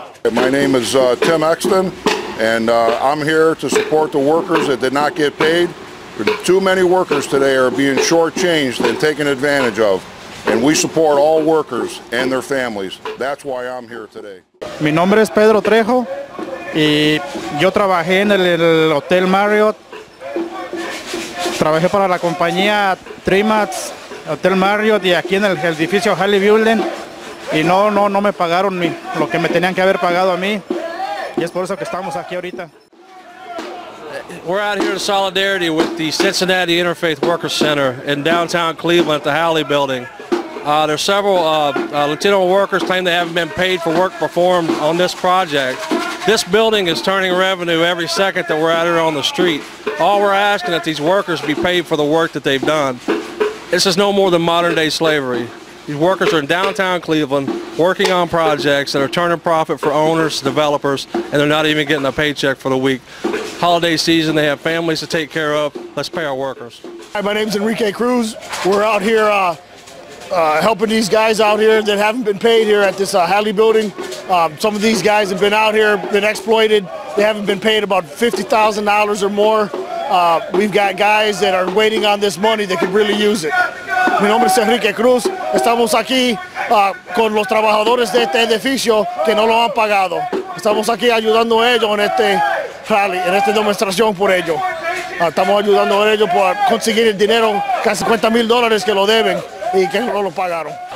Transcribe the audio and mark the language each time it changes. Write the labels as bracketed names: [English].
[English] My name is Tim Exton, and I'm here to support the workers that did not get paid. Too many workers today are being shortchanged and taken advantage of, and we support all workers and their families. That's why I'm here today. [Spanish] Mi nombre es Pedro Trejo, y yo trabajé en el Hotel Marriott. Trabajé para la compañía Tremax, Hotel Marriott, y aquí en el edificio Halle Building. Y no me pagaron lo que me tenían que haber pagado a mí. Y es por eso que estamos aquí ahorita. [English] We're out here in solidarity with the Cincinnati Interfaith Workers Center in downtown Cleveland at the Halle Building. There's several Latino workers claim they haven't been paid for work performed on this project. This building is turning revenue every second that we're out here on the street. All we're asking is that these workers be paid for the work that they've done. This is no more than modern day slavery. These workers are in downtown Cleveland working on projects that are turning profit for owners, developers, and they're not even getting a paycheck for the week. Holiday season, they have families to take care of. Let's pay our workers. Hi, my name is Enrique Cruz. We're out here helping these guys out here that haven't been paid here at this Halle Building. Some of these guys have been out here, been exploited. They haven't been paid about $50,000 or more. We've got guys that are waiting on this money that could really use it. [Spanish] Mi nombre es Enrique Cruz. Estamos aquí con los trabajadores de este edificio que no lo han pagado. Estamos aquí ayudando a ellos en este rally, en esta demostración por ellos. Estamos ayudando a ellos para conseguir el dinero, casi $50,000 que lo deben y que no lo pagaron.